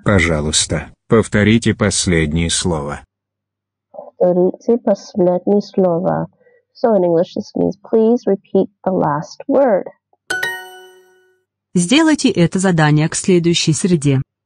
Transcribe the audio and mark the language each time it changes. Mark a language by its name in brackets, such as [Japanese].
[Russian] Пожалуйста, повторите последнее слово. Повторите последнее слово. [English] So in English this means please repeat the last word. [Russian] Сделайте это задание к следующей среде.